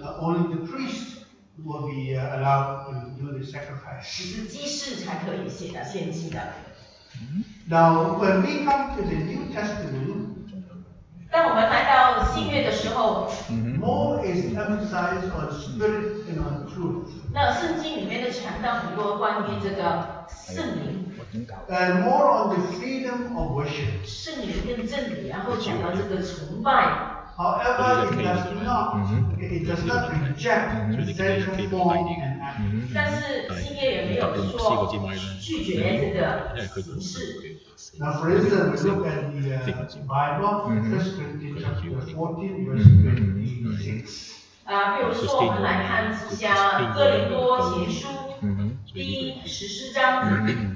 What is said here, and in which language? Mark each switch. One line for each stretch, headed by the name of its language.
English: Only the priest will be allowed to do the sacrifice.
Chinese: 只是祭司才可以献祭的。
English: Now, when we come to the New Testament,
Chinese: 当我们来到新约的时候
English: ，more is emphasized on spirit and on truth。
Chinese: 那圣经里面的强调很多关于这个圣灵。
English: And more on the freedom of worship。
Chinese: 圣灵跟真理，然后讲到这个崇拜。
English: However, it does not reject central form and action。
Chinese: 但是新约也没有说拒绝这个形式。
English: Now, for instance, we look at the Bible, 1 Corinthians chapter 14, verse 26.
Chinese: 比如说，我们来看一下《哥林多前书》第十四章。